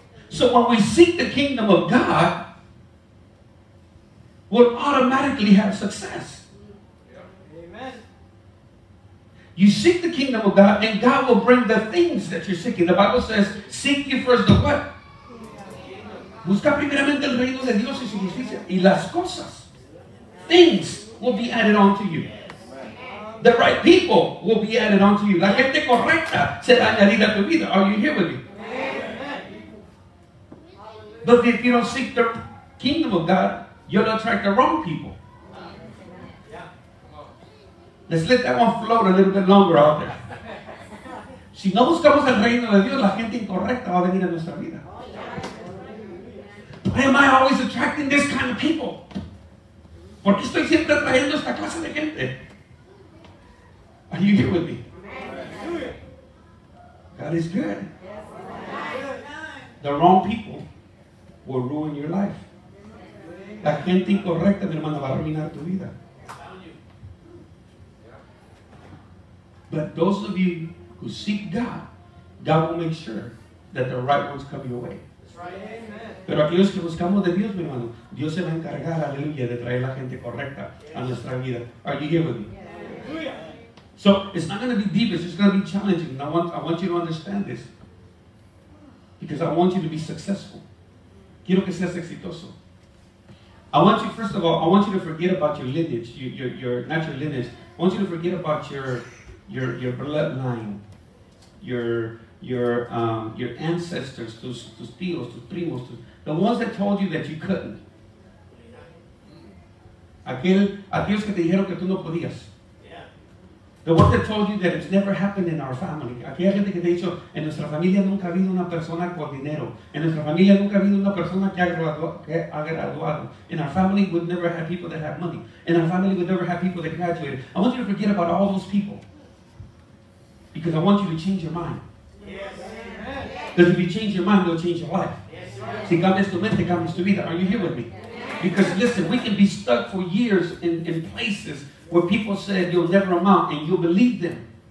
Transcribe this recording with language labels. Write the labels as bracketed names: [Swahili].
[English] So when we seek the kingdom of God, will automatically have success. Amen. You seek the kingdom of God, and God will bring the things that you're seeking. The Bible says, seek you first the what? [Spanish] Busca primeramente el reino de Dios y su justicia. Y las cosas. [English] Things will be added on to you. The right people will be added on to you. [Spanish] La gente correcta será añadida a tu vida. [English] Are you here with me? But if you don't seek the kingdom of God, you'll attract the wrong people. Let's let that one float a little bit longer out there. [Spanish] Si no buscamos el reino de Dios, la gente incorrecta va a venir a nuestra vida. [English] Why am I always attracting this kind of people? [Spanish] ¿Por qué estoy siempre atrayendo esta clase de gente? [English] Are you here with me? God is good. The wrong people will ruin your life. [Spanish] La gente incorrecta, mi hermano, va a arruinar tu vida. [English] But those of you who seek God, God will make sure that the right ones come your way. [Spanish] Pero aquellos que buscamos de Dios, mi hermano, Dios se va a encargar, aleluya, de traer la gente correcta a nuestra vida. [English] Are you here with me? Yeah. So it's not going to be deep, it's just going to be challenging. And I want you to understand this. Because I want you to be successful. [Spanish] Quiero que seas exitoso. [English] I want you to forget about your lineage, your natural lineage. I want you to forget about your bloodline, your ancestors, [Spanish] tus tíos, tus primos, [English] the ones that told you that you couldn't. [Spanish] Aquellos que te dijeron que tú no podías. [English] Yeah. The word that told you that it's never happened in our family. [Spanish] Aquí hay gente que te ha dicho, en nuestra familia nunca ha habido una persona con dinero. En nuestra familia nunca ha habido una persona que ha graduado. [English] In our family, we've never had people that have money. In our family, we've never had people that graduated. I want you to forget about all those people. Because I want you to change your mind. Because if you change your mind, you'll change your life. [Spanish] Si cambias tu mente, cambias tu vida. [English] Are you here with me? Because listen, we can be stuck for years in places where people said you'll never amount, and you believe them.